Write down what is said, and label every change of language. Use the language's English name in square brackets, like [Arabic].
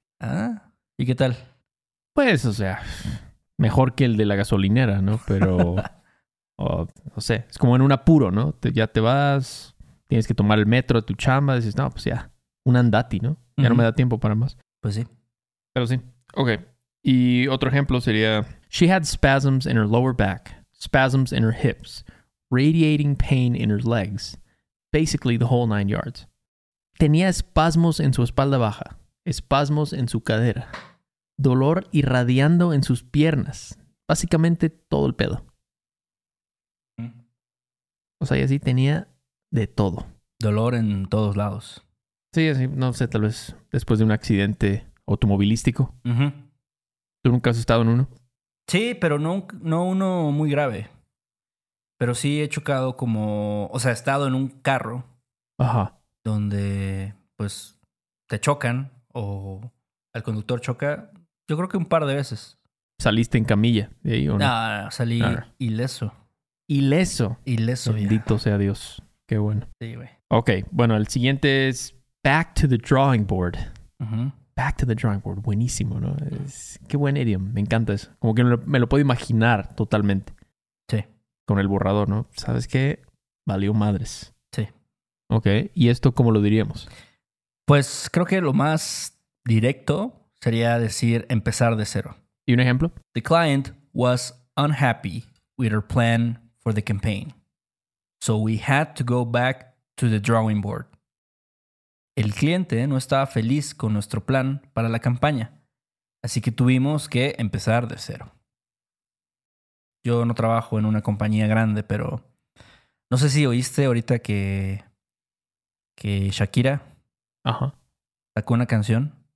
[Spanish] Ah, ¿y qué tal? Pues, o sea, mejor que el de la gasolinera, ¿no? Pero, no sé, es como en un apuro, ¿no? Ya te vas, tienes que tomar el metro a tu chamba. Dices, no, pues ya, un andati, ¿no? Ya no me da tiempo para más. Pues sí. Pero sí. Ok. Y otro ejemplo sería... [English] She had spasms in her lower back, spasms in her hips... Radiating pain in her legs. Basically, the whole nine yards. [Spanish] Tenía espasmos en su espalda baja. Espasmos en su cadera. Dolor irradiando en sus piernas. Básicamente, todo el pedo. O sea, y así tenía de todo. Dolor en todos lados. Sí, así, no sé, tal vez después de un accidente automovilístico. ¿Tú nunca has estado en uno? Sí, pero no uno muy grave. Pero sí he chocado como... O sea, he estado en un carro. Ajá. Donde, pues, te chocan o el conductor choca. Yo creo que un par de veces. ¿Saliste en camilla de ahí o no? Nah, salí ileso. ¿Ileso? Ileso, bendito sea Dios. Qué bueno. Sí, güey. Ok, bueno, el siguiente es... [English] Back to the drawing board. Back to the drawing board. [Spanish] Buenísimo, ¿no? Qué buen idiom. Me encanta eso. Como que me lo puedo imaginar totalmente. Con el borrador, ¿no? ¿Sabes qué? Valió madres. Sí. Ok. ¿Y esto cómo lo diríamos? Pues creo que lo más directo sería decir empezar de cero. ¿Y un ejemplo? [English] The client was unhappy with our plan for the campaign. So we had to go back to the drawing board. [Spanish] El cliente no estaba feliz con nuestro plan para la campaña, así que tuvimos que empezar de cero. Yo no trabajo en una compañía grande, pero no sé si oíste ahorita que Shakira sacó una canción.